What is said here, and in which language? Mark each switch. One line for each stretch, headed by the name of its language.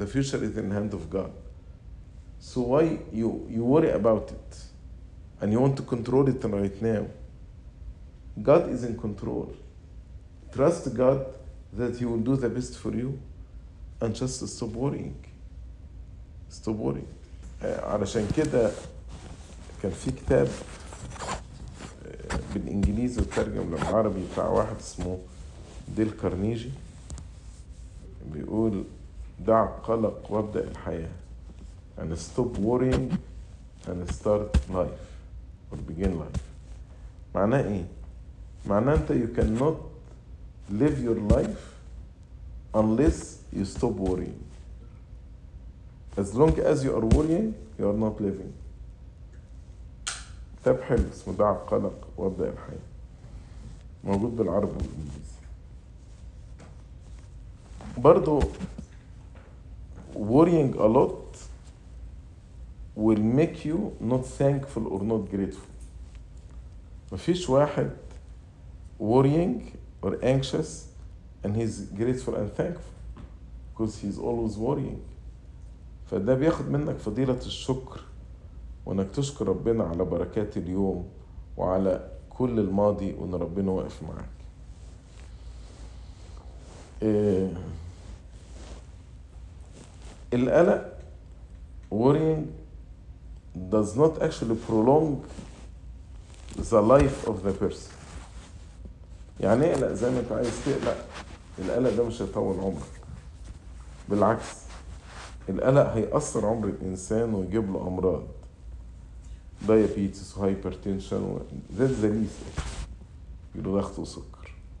English: The future is in the hand of God. So why you worry about it and you want to control it right now? God is in control. Trust God that he will do the best for you and just stop worrying. Stop worrying.
Arabic: علشان كده كان في كتاب بالانجليزي وترجم للعربي بتاع واحد اسمه ديل كارنيجي بيقول دع القلق وابدأ الحياة
English: and stop worrying and start life or begin life.
Arabic: معناه ايه؟ معناه انت
English: you cannot live your life unless you stop worrying. As long as you are worrying you are not living.
Arabic: كتاب حلو اسمه دع القلق وابدأ الحياة، موجود بالعربي والانجليزي. برضو
English: worrying a lot will make you not thankful or not grateful.
Arabic: مفيش واحد
English: worrying or anxious and he's grateful and thankful because he's always worrying.
Arabic: فده بياخد منك فضيلة الشكر وانك تشكر ربنا على بركات اليوم وعلى كل الماضي وان ربنا واقف معك. القلق worrying does not actually prolong the life of the person. يعني اقلق زي ما انت عايز تقلق، القلق ده مش هيطول عمرك، بالعكس القلق هيأثر عمر الانسان ويجيب له امراض diabetes وhypertension وذات زليسة يلو ضغط وسكر.